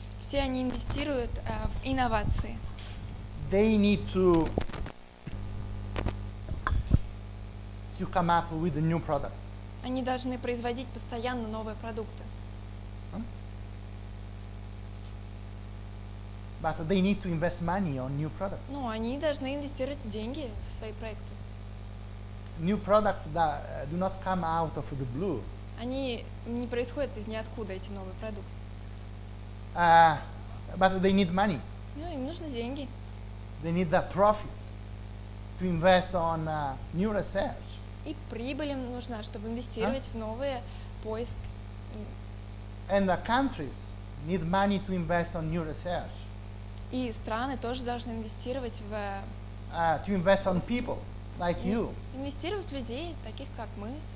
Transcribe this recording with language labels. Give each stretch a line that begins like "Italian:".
Russian: Все они инвестируют в инновации.
English: They need to come up with new products.
Russian: Они должны производить постоянно новые продукты.
English: But they need to invest money on new products.
Russian: Ну, они должны инвестировать деньги в свои проекты.
English: New products that do not come out of the blue.
Russian: Они не происходят из ниоткуда, эти новые продукты.
English: But they need money.
Russian: Ну, им нужны деньги.
English: They need the profits to invest on new research.
Russian: И прибыль им нужна, чтобы инвестировать в новые поиски.
English: And the countries need money to invest on new research.
Russian: И страны тоже должны инвестировать в
English: to invest on people like you.
Russian: Инвестировать в людей, таких как мы.